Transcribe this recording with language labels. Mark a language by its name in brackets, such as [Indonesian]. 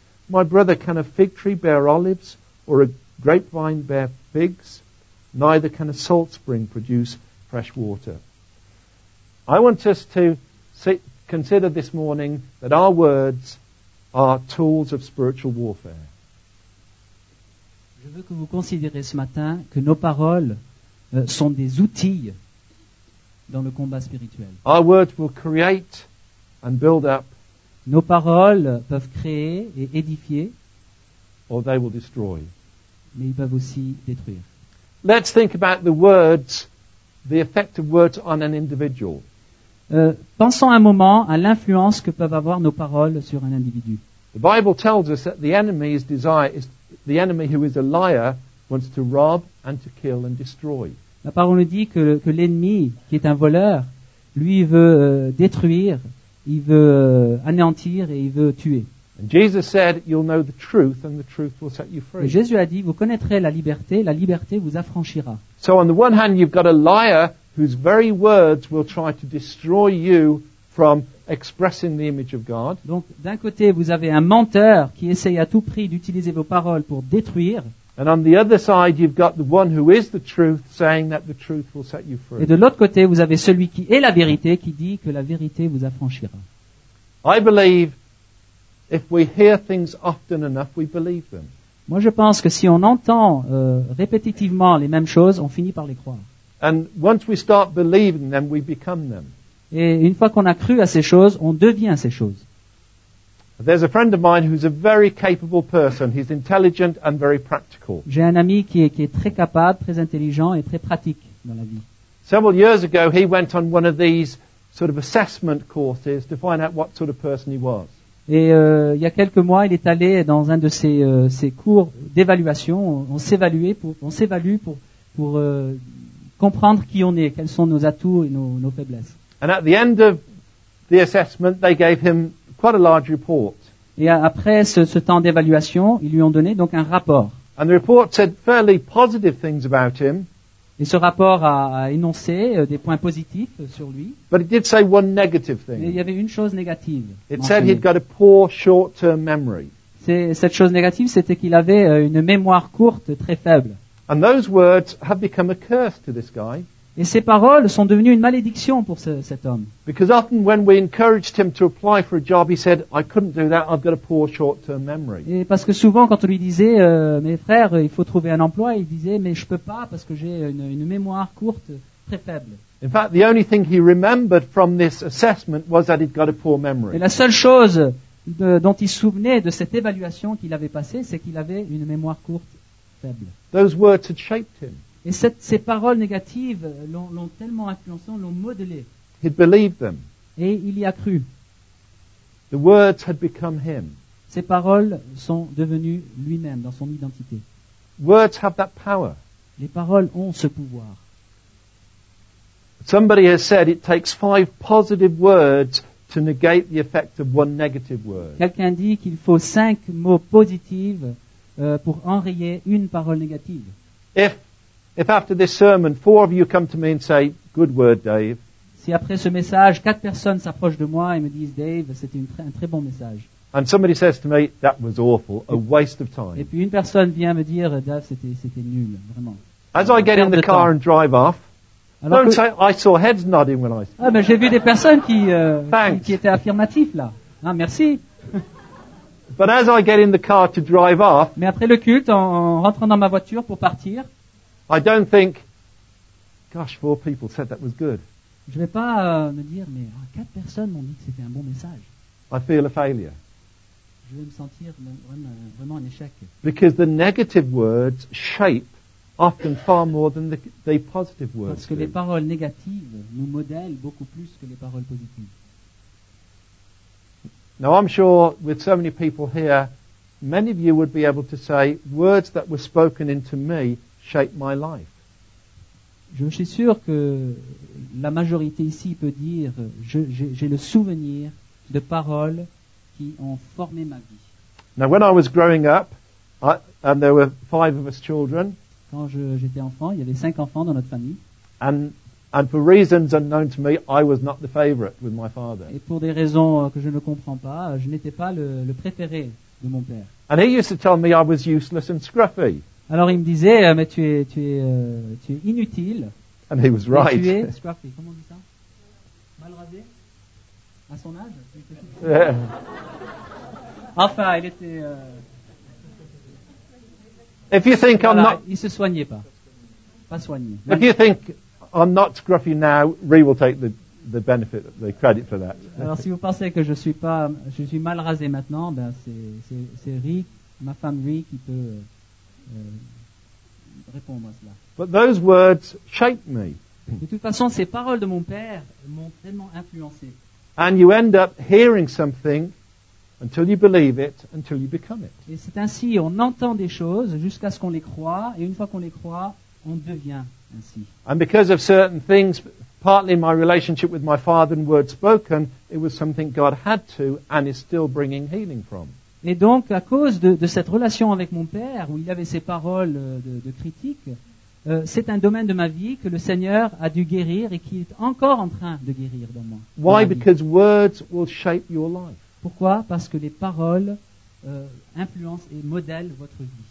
[English] My brother, can a fig tree bear olives or a grapevine bear figs? Neither can a salt spring produce fresh water. I want us to consider this morning that our words are tools of spiritual warfare. [French] Je veux que vous considériez ce matin que nos paroles sont des outils dans le combat spirituel. [English] Our words will create and build up. [French] Nos paroles peuvent créer et édifier. [English] Or they will destroy. [French] Mais ils peuvent aussi détruire. [English] Let's think about the words, the effect of words on an individual. [French] Pensons un moment à l'influence que peuvent avoir nos paroles sur un individu. [English] The Bible tells us that the enemy's desire is the enemy who is a liar wants to rob and to kill and destroy. [French] La parole nous dit que l'ennemi qui est un voleur, lui veut détruire, il veut anéantir et il veut tuer. [English] And Jesus said, "You'll know the truth, and the truth will set you free." [French] Et Jésus a dit, vous connaîtrez la liberté vous affranchira. [English] So on the one hand, you've got a liar whose very words will try to destroy you from expressing the image of God. [French] Donc, d'un côté, vous avez un menteur qui essaye à tout prix d'utiliser vos paroles pour détruire. [English] And on the other side, you've got the one who is the truth saying that the truth will set you free. [French] Et de l'autre côté, vous avez celui qui est la vérité qui dit que la vérité vous affranchira. [English] I believe if we hear things often enough, we believe them. [French] Moi, je pense que si on entend répétitivement les mêmes choses, on finit par les croire. [English] And once we start believing them, we become them. [French] Et une fois qu'on a cru à ces choses, on devient ces choses. [English] There's a friend of mine who's a very capable person. He's intelligent and very practical. [French] J'ai un ami qui est très capable, très intelligent et très pratique dans la vie. [English] Several years ago, he went on one of these sort of assessment courses to find out what sort of person he was. [French] Et il y a quelques mois, il est allé dans un de ces cours d'évaluation. On s'évalue pour comprendre qui on est, quels sont nos atouts et nos faiblesses. [English] And at the end of the assessment, they gave him quite a large report. [French] Et après ce temps d'évaluation, ils lui ont donné donc un rapport. [English] And the report said fairly positive things about him. [French] Et ce rapport a énoncé des points positifs sur lui. [English] But it did say one negative thing. [French] Mais il y avait une chose négative. [English] It said he'd got a poor short-term memory. [French] Cette chose négative, c'était qu'il avait une mémoire courte, très faible. [English] And those words have become a curse to this guy. [French] Et ces paroles sont devenues une malédiction pour cet homme. [English] Because often when we encouraged him to apply for a job, he said, I couldn't do that, I've got a poor short-term memory. [French] Et parce que souvent, quand on lui disait, mes frères, il faut trouver un emploi, il disait, mais je peux pas parce que j'ai une mémoire courte, très faible. [English] In fact, the only thing he remembered from this assessment was that he'd got a poor memory. [French] Et la seule chose dont il se souvenait de cette évaluation qu'il avait passée, c'est qu'il avait une mémoire courte, faible. [English] Those words had shaped him. [French] Et ces paroles négatives l'ont tellement influencé, l'ont modelé. [English] He'd believed them. [French] Et il y a cru. [English] The words had become him. [French] Ces paroles sont devenues lui-même, dans son identité. [English] Words have that power. [French] Les paroles ont ce pouvoir. [English] Somebody has said it takes 5 positive words to negate the effect of one negative word. [French] Quelqu'un dit qu'il faut 5 mots positifs pour enrayer une parole négative. [English] If after this sermon 4 of you come to me and say good word Dave. [French] Si après ce message 4 personnes s'approchent de moi et me disent Dave, c'était un très bon message. [English] And somebody says to me that was awful, a waste of time. [French] Et puis une personne vient me dire Dave, c'était nul, vraiment. [English] As I get in the car and drive off. Alors don't say, I saw heads nodding when I saw. [French] Ah, mais j'ai vu des personnes qui étaient affirmatifs là. Ah, merci. [English] But as I get in the car to drive off. [French] Mais après le culte, en rentrant dans ma voiture pour partir. [English] I don't think, gosh, 4 people said that was good. [French] Je vais pas me dire, mais 4 personnes m'ont dit que c'était un bon message. [English] I feel a failure. [French] Je vais me sentir vraiment un échec. [English] Because the negative words shape. Often far more than the positive words. [French] Parce que les paroles négatives nous modèlent beaucoup plus que les paroles positives. [English] Now I'm sure with so many people here, many of you would be able to say words that were spoken into me shaped my life. [French] Je suis sûr que la majorité ici peut dire j'ai le souvenir de paroles qui ont formé ma vie. [English] Now when I was growing up, and there were 5 of us children. [French] Quand j'étais enfant, il y avait 5 enfants dans notre famille. [English] And for reasons unknown to me, I was not the favorite with my father. [French] Et pour des raisons que je ne comprends pas, je n'étais pas le préféré de mon père. [English] And he used to tell me I was useless and scruffy. [French] Alors il me disait, mais tu es inutile. [English] And he was right. [French] Et tu es scruffy. Comment on dit ça? Mal rasé? À son âge? [English] Yeah. [French] Enfin, il était. [English] If you think [French] voilà, [English] I'm not, [French] il se soignait pas. Pas soigné. Même [English] if you think I'm not scruffy now, Ree will take the benefit, the credit for that. [French] Alors si vous pensez que je suis mal rasé maintenant, ben c'est Ree, ma femme Ree qui peut répondre à cela. [English] But those words shaped me. [French] De toute façon, ces paroles de mon père m'ont tellement influencé. [English] And you end up hearing something. Until you believe it, until you become it. [French] Et c'est ainsi, on entend des choses jusqu'à ce qu'on les croit, et une fois qu'on les croit, on devient ainsi. [English] And because of certain things, partly my relationship with my father and words spoken, it was something God had to and is still bringing healing from. [French] Et donc, à cause de cette relation avec mon père, où il y avait ces paroles de critique, c'est un domaine de ma vie que le Seigneur a dû guérir et qui est encore en train de guérir dans moi. [English] Why? Because words will shape your life. [French] Pourquoi? Parce que les paroles influencent et modèlent votre vie.